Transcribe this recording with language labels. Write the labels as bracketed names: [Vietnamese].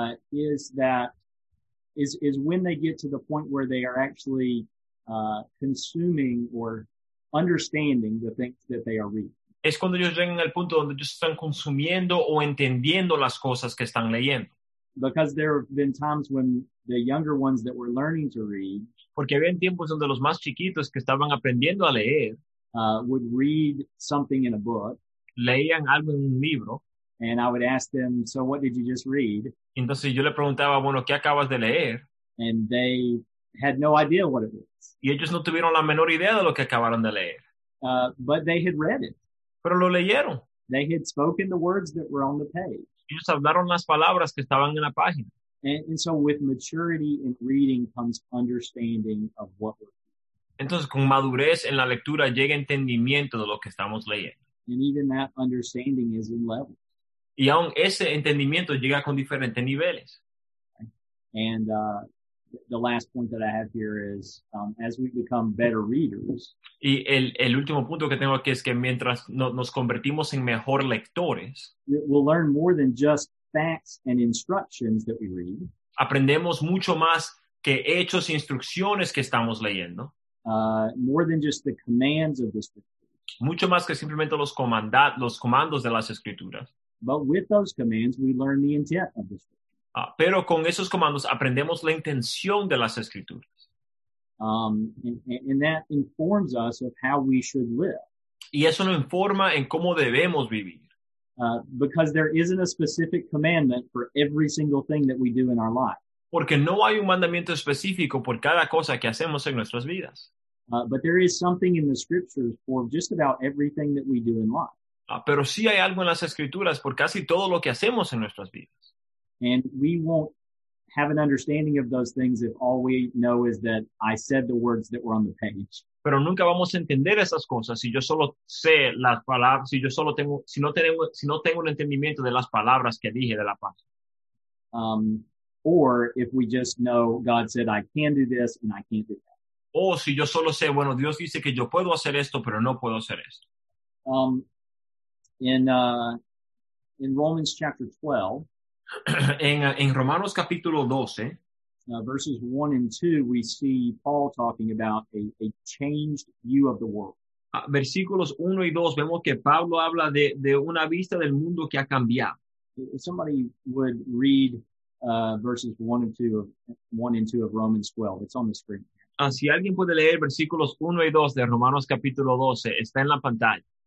[English] Is when they get to the point where they are actually consuming or understanding the things that they are reading. [Spanish] Es cuando ellos llegan al punto donde ellos están consumiendo o entendiendo las cosas que están leyendo. [English] because there have been times when the younger ones that were learning to read, [Spanish] porque había tiempos donde los más chiquitos que estaban aprendiendo a leer, [English] would read something in a book, [Spanish] leían algo en un libro, [English] and I would ask them, so what did you just read? [Spanish] Entonces yo le preguntaba, bueno, ¿qué acabas de leer? [English] And they had no idea what it was. [Spanish] Y ellos no tuvieron la menor idea de lo que acabaron de leer. [English] But they had read it. [Spanish] Pero lo leyeron. [English] They had spoken the words that were on the page. [Spanish] Ellos hablaron las palabras que estaban en la página. [English] And so with maturity in reading comes understanding of what we're reading. [Spanish] Entonces con madurez en la lectura llega entendimiento de lo que estamos leyendo. [English] And even that understanding is in level. [Spanish] Y aún ese entendimiento llega con diferentes niveles. [English] And the last point that I have here is, as we become better readers. [Spanish] Y el último punto que tengo aquí es que mientras nos convertimos en mejor lectores, [English] we'll learn more than just facts and instructions that we read. [Spanish] Aprendemos mucho más que hechos e instrucciones que estamos leyendo. [English] More than just the commands of the scriptures. [Spanish] Mucho más que simplemente los comandos de las escrituras. [English] But with those commands, we learn the intent of the scriptures. [Spanish] Pero con esos comandos aprendemos la intención de las escrituras. [English] And that informs us of how we should live. [Spanish] Y eso nos informa en cómo debemos vivir. [English] Because there isn't a specific commandment for every single thing that we do in our life. [Spanish] Porque no hay un mandamiento específico por cada cosa que hacemos en nuestras vidas. [English] But there is something in the scriptures for just about everything that we do in life. [Spanish] Pero sí hay algo en las escrituras por casi todo lo que hacemos en nuestras vidas. [English] And we won't have an understanding of those things if all we know is that I said the words that were on the page. [Spanish] Pero nunca vamos a entender esas cosas si yo solo sé las palabras, si yo solo tengo, si no tengo un entendimiento de las palabras que dije de la página. [English] Or if we just know God said I can do this and I can't do that. [Spanish] O si yo solo sé, bueno, Dios dice que yo puedo hacer esto, pero no puedo hacer esto. [English] In Romans chapter 12, [Spanish] en Romanos capítulo 12, [English] verses 1 and 2, we see Paul talking about a changed view of the world. [Spanish] Versículos 1 y 2, vemos que Pablo habla de una vista del mundo que ha cambiado. [English] If somebody would read verses 1 and 2 of 1 and 2 of Romans 12, it's on the screen. [Spanish] Si alguien puede leer versículos 1 y 2 de Romanos capítulo 12, está en la pantalla.